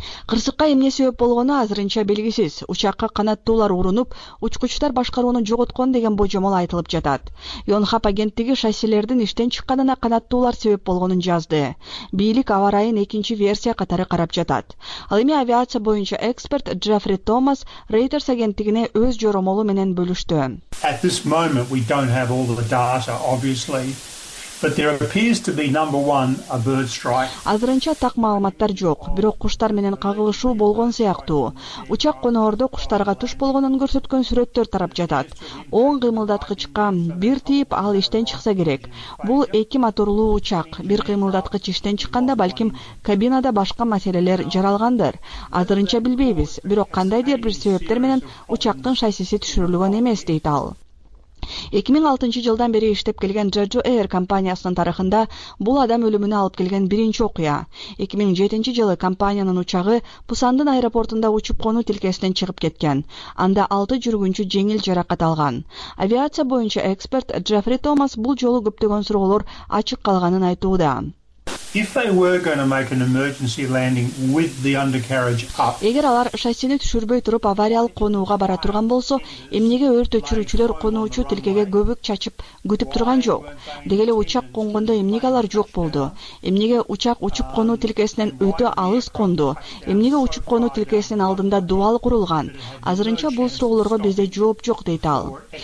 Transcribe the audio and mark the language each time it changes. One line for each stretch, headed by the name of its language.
Kyrgyz: Кырсыкка эмне себеп болгону азырынча белгисиз. Учакка канаттуулар урунуп, учкучтар башкарууну жоготкон деген божомол айтылып жатат. Йонхап агенттиги шасселердин иштен чыкканына канаттуулар себеп болгонун жазды. Бийлик аба ырайын экинчи версия катары карап жатат. Ал эми авиация боюнча эксперт Джеффри Томас Reuters агенттигине өз жоромолу менен бөлүштү.
English: At this moment we don't have all the data obviously. But there appears to be number one a bird strike.
Kyrgyz: Азырынча так маалыматтар жок, бирок куштар менен кагылышуу болгон сыяктуу. Учак коноордо куштарга туш болгонун көрсөткөн сүрөттөр тарап жатат. Оң кыймылдаткычка бир тийип ал иштен чыкса керек. Бул эки моторлуу учак. Бир кыймылдаткыч иштен чыкканда балким кабинада башка маселелер жаралгандыр. Азырынча билбейбиз, бирок кандайдыр бир себептер менен учактын шассиси түшүрүлгөн эмес дейт ал. 2006 жылдан бери иштеп келген Jeju Air компаниясынын тарыхында бул адам өлүмүнө алып келген биринчи окуя. 2007 жылы компаниянын учагы Пусандын аэропортунда учуп конуу тилкесинен чыгып кеткен. Анда 6 жүргүнчү жеңил жаракат алган. Авиация боюнча эксперт Джеффри Томас бул жолу көптөгөн суроолор ачык калганын айтууда.
English: If they were going to make an emergency landing with the undercarriage up.
Kyrgyz: Эгер алар шассини түшүрбөй туруп авариялык конууга бара турган болсо, эмнеге өрт өчүрүүчүлөр конуучу тилкеге көбүк чачып күтүп турган жок? Деги эле учак конгондо эмнеге алар жок болду? Эмнеге учак учуп конуу тилкесинен өтө алыс кондо? Эмнеге учуп конуу тилкесинин алдында дубал курулган? Азырынча бул суроолорго бизде жооп жок, дейт ал.